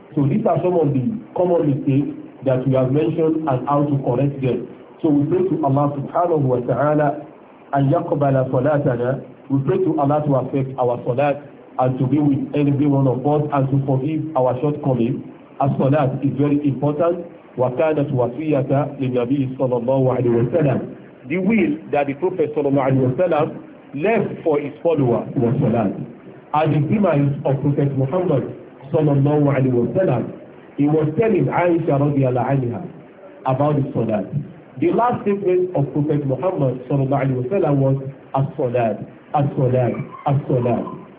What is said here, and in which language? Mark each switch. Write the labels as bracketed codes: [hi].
[en] So these are some of the common mistakes that we have mentioned and how to correct them. So we pray to Allah subhanahu wa ta'ala and yaqbala salatana. We pray to Allah to accept our salat and to be with every one of us and to forgive our shortcomings. As salat is very important. [ar] وكانت وصية للنبي صلى الله عليه وسلم. [en] The will that the Prophet صلى الله عليه وسلم left for his follower was Salat. And the demise of Prophet Muhammad صلى الله عليه وسلم, he was telling Aisha رضي الله عنها about the Salat. The last statement of Prophet Muhammad صلى الله عليه وسلم was [ar] الصلاه الصلاه الصلاه.